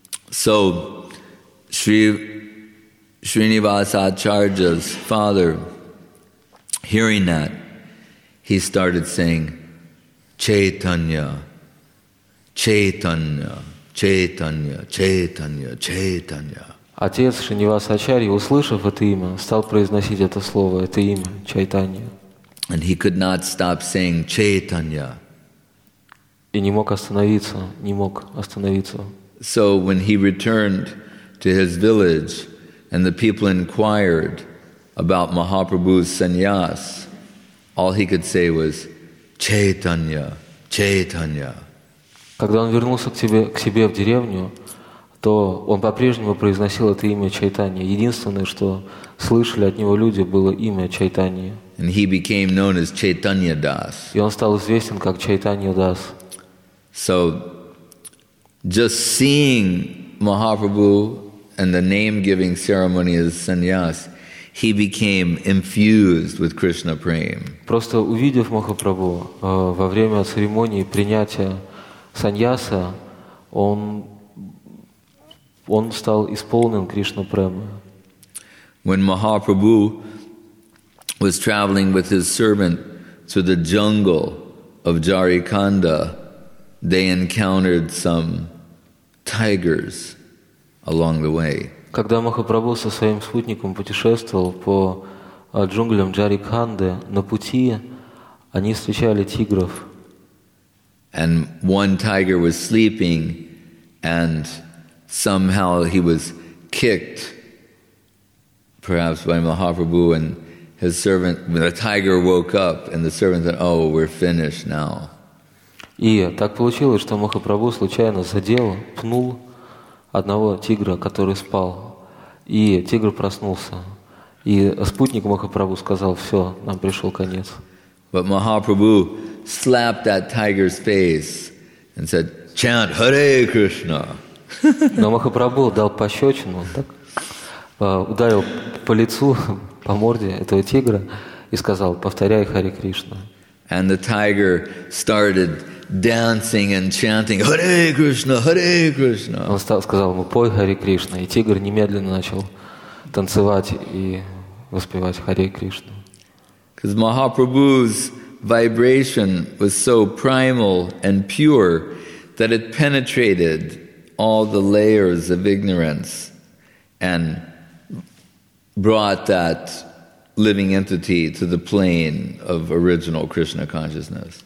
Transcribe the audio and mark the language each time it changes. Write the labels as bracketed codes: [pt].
[en] So, Srinivas Acharya's father, hearing that, he started saying, Chaitanya, Chaitanya, Chaitanya, Chaitanya, Chaitanya. [ru] Отец Шринивас Ачарья, услышав это имя, стал произносить это слово, это имя, Чайтанья. [en] And he could not stop saying Chaitanya. [ru] И не мог остановиться, не мог остановиться. [en] So when he returned to his village and the people inquired about Mahaprabhu's sannyas, All he could say was, Chaitanya, Chaitanya. [ru] Когда он вернулся к себе в деревню, то он по-прежнему произносил это имя Чайтанья. Единственное, что слышали от него люди, было имя Чайтанья. [en] And he became known as Chaitanya Das. [ru] И он стал известен как Чайтанья Дас. [en] So, just seeing Mahaprabhu and the name-giving ceremony as sannyas, he became infused with Krishna Prem. [ru] Просто увидев Махапрабху во время церемонии принятия саньяса, он стал исполнен Кришна Према. [en] When Mahaprabhu was traveling with his servant through the jungle of Jharkhanda, they encountered some tigers along the way. [ru] Когда Махапрабху со своим спутником путешествовал по джунглям Джарикханды, на пути они встречали тигров. [en] And one tiger was sleeping, and somehow he was kicked, perhaps by Mahaprabhu and his servant. The tiger woke up, and the servant said, "Oh, we're finished now." [ru] И так получилось, что Махапрабху случайно задел, пнул одного тигра, который спал. И тигр проснулся. И спутник Махапрабху сказал, все, нам пришел конец. [en] But Mahaprabhu slapped that tiger's face and said, chant Hare Krishna. [ru] Но Махапрабху дал пощечину, так, ударил по лицу, по морде этого тигра и сказал, повторяй Хари Кришна. [en] And the tiger started dancing and chanting, Hare Krishna, Hare Krishna. [ru] Он сказал ему, пой Хари Кришна. И тигр немедленно начал танцевать и воспевать Хари Кришна. [en] Because Mahaprabhu's vibration was so primal and pure that it penetrated all the layers of ignorance and brought that living entity to the plane of original Krishna consciousness.